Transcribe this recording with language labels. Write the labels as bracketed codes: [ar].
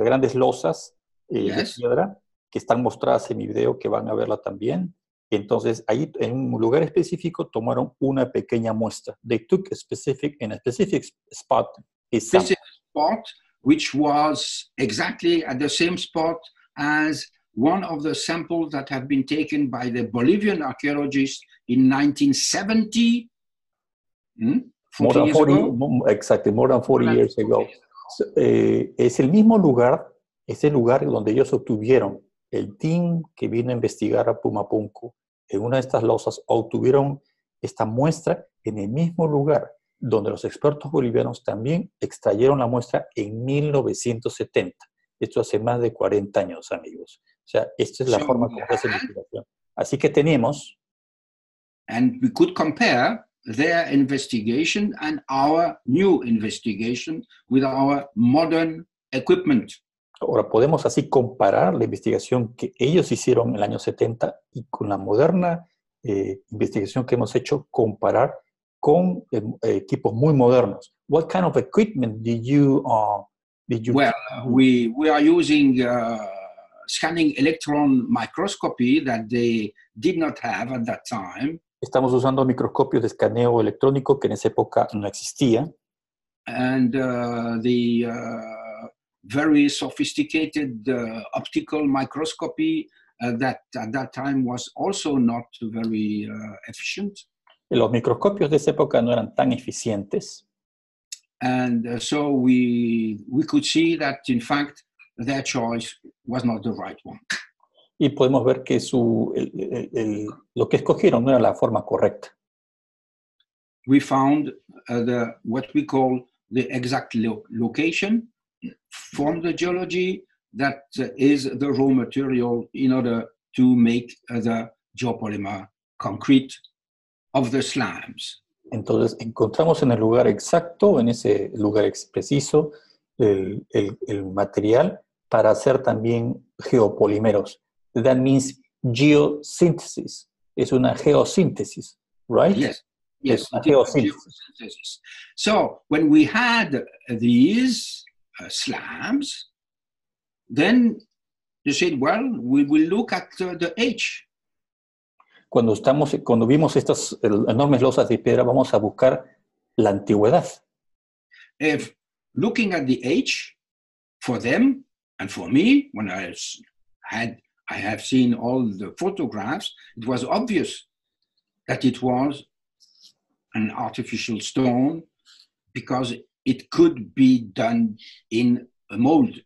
[es] grandes losas de piedra que están mostradas en mi video, que van a verla también. Entonces, ahí en un lugar específico tomaron una pequeña muestra. [en] They took a specific spot. A specific spot, which was exactly at the same spot as one of the samples that have been taken by the Bolivian archaeologists in 1970. More than 40 years ago. [es] Es el mismo lugar, es el lugar donde ellos obtuvieron el team que vino a investigar a Pumapunku. En una de estas losas obtuvieron esta muestra en el mismo lugar donde los expertos bolivianos también extrayeron la muestra en 1970. Esto hace más de 40 años, amigos. O sea, esta es la forma como se hace la investigación. Así que tenemos... [en] And we could compare their investigation and our new investigation with our modern equipment. [es] Ahora podemos así comparar la investigación que ellos hicieron en el año 70 y con la moderna investigación que hemos hecho, comparar con equipos muy modernos. [en] What kind of equipment did you? Well, we are using scanning electron microscopy that they did not have at that time. [es] Estamos usando microscopios de escaneo electrónico que en esa época no existía. [en] And the very sophisticated optical microscopy that at that time was also not very efficient. [es] Los microscopios de esa época no eran tan eficientes. [en] And so we could see that in fact their choice was not the right one. [es] Y podemos ver que lo que escogieron no era la forma correcta. [en] We found what we call the exact location from the geology that is the raw material in order to make the geopolymer concrete of the slabs. [es] Entonces encontramos en el lugar exacto, en ese lugar preciso, el material para hacer también geopolímeros. [en] That means geosynthesis. [es] Es una geosíntesis, [en] right? Yes, geosynthesis. So when we had these slabs, then you said, well, we will look at the age. [es] Cuando vimos estas enormes losas de piedra, vamos a buscar la antigüedad. [en] If looking at the age, for them and for me, when I have seen all the photographs, it was obvious that it was an artificial stone because it could be done in a mold.